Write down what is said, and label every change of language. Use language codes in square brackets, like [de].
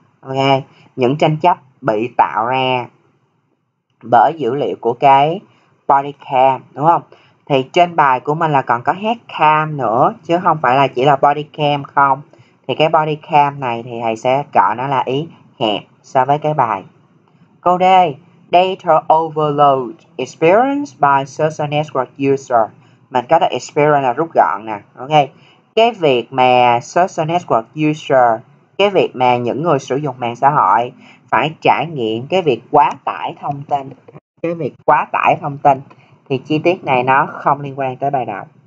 [vi] Ok, những tranh chấp bị tạo ra bởi dữ liệu của cái body cam, đúng không? Thì trên bài của mình là còn có head cam nữa chứ không phải là chỉ là body cam không. Thì cái body cam này thì thầy sẽ gọi nó là ý hẹp so với cái bài. Câu D, [en] data overload experience by social network user. [vi] Mình có cái experience là rút gọn nè. Ok, cái việc mà [en] social network user, [vi] cái việc mà những người sử dụng mạng xã hội phải trải nghiệm cái việc quá tải thông tin, cái việc quá tải thông tin thì chi tiết này nó không liên quan tới bài đọc.